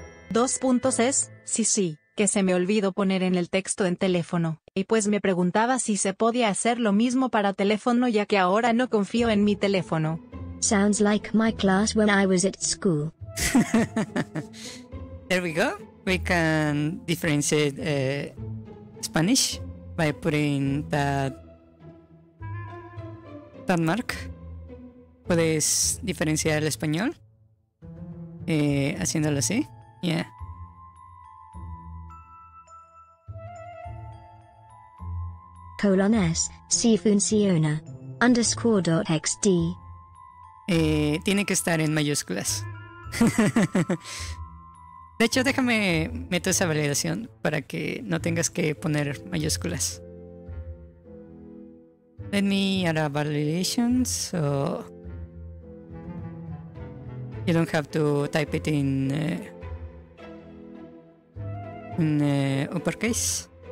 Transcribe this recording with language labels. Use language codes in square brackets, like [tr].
[es] Dos puntos es, sí sí, que se me olvidó poner en el texto en teléfono, y pues me preguntaba si se podía hacer lo mismo para teléfono ya que ahora no confío en mi teléfono. [en] Sounds like my class when I was at school. There we go, we can differentiate Spanish by putting that mark. [es] Puedes diferenciar el español haciéndolo así, yeah. [en] Colon S, [es] si funciona. [en] Underscore dot XD. [es] Tiene que estar en mayúsculas. De hecho, déjame meto esa validación para que no tengas que poner mayúsculas. [en] Let me add a validation, so you don't have to type it in uppercase.